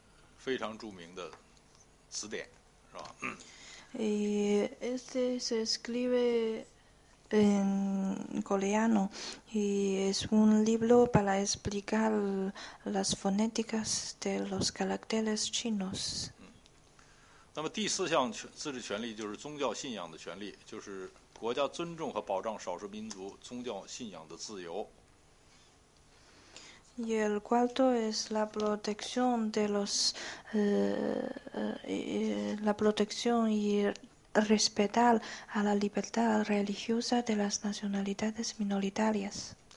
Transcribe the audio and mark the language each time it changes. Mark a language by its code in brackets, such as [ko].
[zh] 那么这是古代的朝鲜文的一部字书，叫做《训民正音》，就是用如何用这个，就上面这一排是朝鲜文，是吧？底下是汉字，实际它也是用这个朝鲜文来给汉字注音的这样的一本非常著名的词典，是吧？ [es] Este se escribe en coreano y es un libro para explicar las fonéticas de los caracteres chinos. [zh] 那么第四项自治权利就是宗教信仰的权利，就是国家尊重和保障少数民族宗教信仰的自由。 [es] Y el cuarto es la protección de los la protección y respetar a la libertad religiosa de las nacionalidades minoritarias.